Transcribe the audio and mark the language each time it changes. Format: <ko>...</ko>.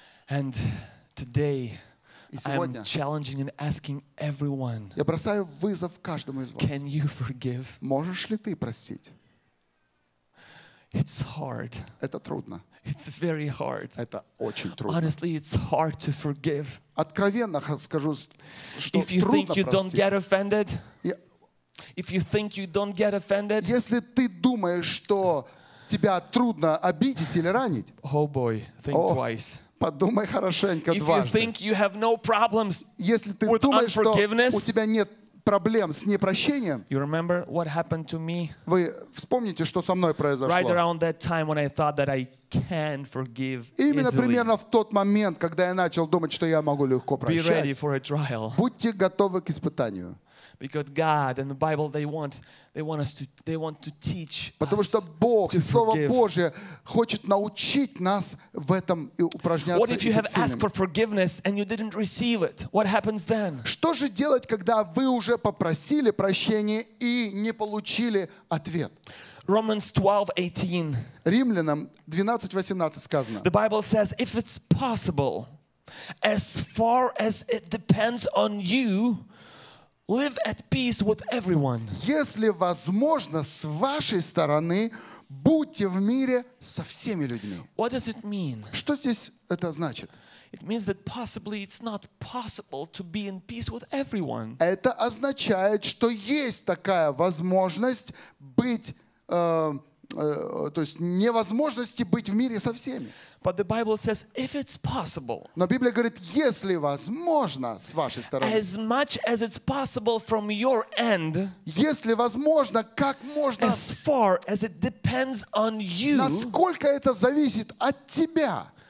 <en>And today I'm challenging and asking everyone.</en> <ru>Я бросаю вызов каждому из вас.</ru> <en>Can you forgive?</en> <ru>Можешь ли ты простить?</ru> <en>It's hard.</en> <ru>Это трудно.</ru> <en>It's very hard.</en> <ru>Это очень трудно.</ru> <en>Honestly, it's hard to forgive.</en> <ru>Откровенно скажу, что трудно простить.</ru> <en>If you think you don't get offended, if you think you don't get offended,</en> <ru>если ты думаешь, что тебя трудно обидеть или ранить,</ru> <en>oh boy, think twice.</en> <ru>Подумай хорошенько дважды.</ru> <en>If you think you have no problems,</en> <ru>если ты думаешь, что у тебя нет проблем с непрощением.</ru> <en>You remember what happened to me?</en> <ru>Вы вспомните, что со мной произошло.</ru> <en>Right around that time when I thought that I can forgive easily.</en> <ru>Именно примерно в тот момент, когда я начал думать, что я могу легко прощать.</ru> <en>Be ready for a trial.</en> <ru>Будьте готовы к испытанию.</ru> <en>Because God and the Bible, they want to teach.</en> <ru>Потому что Бог, Слово Божье, хочет научить нас в этом и упражняться.</ru> <en>What if you have asked for forgiveness and you didn't receive it? What happens then?</en> <ru>Что же делать, когда вы уже попросили прощения и не получили ответ?</ru> <en>Romans 12:18.</en> <ru>Римлянам 12:18 сказано.</ru> <en>The Bible says, if it's possible, as far as it depends on you, live at peace with everyone.</en> <ru>Если возможно, с вашей стороны, будьте в мире со всеми людьми.</ru> <en>What does it mean?</en> <ru>Что здесь это значит?</ru> <en>It means that possibly it's not possible to be in peace with everyone.</en> <ru>Это означает, что есть такая возможность быть, то есть невозможности быть в мире со всеми.</ru> <en>But the Bible says, if it's possible.</en> <ru>Но Библия говорит, если возможно с вашей стороны.</ru> <en>As much as it's possible from your end.</en> <ru>Если возможно, как можно.</ru> <en>As far as it depends on you.</en> <ru>Насколько это зависит от тебя.</ru>